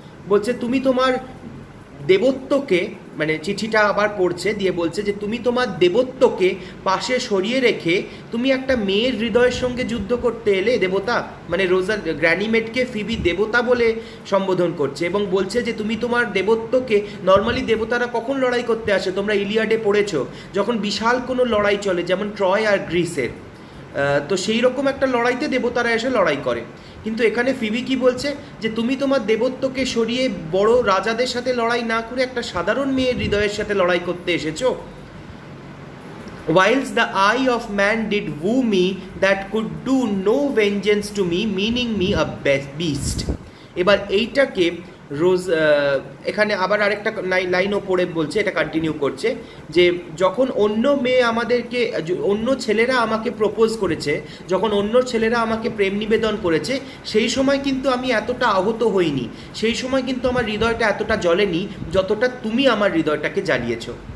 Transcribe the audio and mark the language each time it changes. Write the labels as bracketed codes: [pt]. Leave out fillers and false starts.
[bn] বলছে তুমি তোমার দেবত্বকে, মানে চিঠিটা আবার পড়ছে, দিয়ে বলছে যে তুমি তোমার দেবত্বকে পাশে সরিয়ে রেখে তুমি একটা মেয়ের হৃদয়ের সঙ্গে যুদ্ধ করতে এলে, দেবতা, মানে রোজা গ্র্যানিমেটকে ফিবি দেবতা বলে সম্বোধন করছে এবং বলছে যে তুমি তোমার দেবত্বকে, নর্মালি দেবতারা কখন লড়াই করতে আসে, তোমরা ইলিয়াডে পড়েছো, যখন বিশাল কোনো লড়াই চলে যেমন ট্রয় আর গ্রিসের, তো সেই রকম একটা লড়াইতে দেবতারা এসে লড়াই করে। কিন্তু এখানে ফিবি কি বলছে যে তুমি তোমার দেবত্বকে সরিয়ে বড় রাজাদের সাথে লড়াই না করে একটা সাধারণ মেয়ের হৃদয়ের সাথে লড়াই করতে এসেছো। [en] Whilst the eye of man did woo me that could do no vengeance to me meaning me a beast। [bn] এবার এইটাকে রোজ এখানে আবার আরেকটা লাইনও পড়ে বলছে, এটা কন্টিনিউ করছে, যে যখন অন্য মেয়ে আমাদেরকে, অন্য ছেলেরা আমাকে প্রপোজ করেছে, যখন অন্য ছেলেরা আমাকে প্রেম নিবেদন করেছে, সেই সময় কিন্তু আমি এতটা আহত হইনি, সেই সময় কিন্তু আমার হৃদয়টা এতটা জ্বলেনি যতটা তুমি আমার হৃদয়টাকে জ্বালিয়েছো।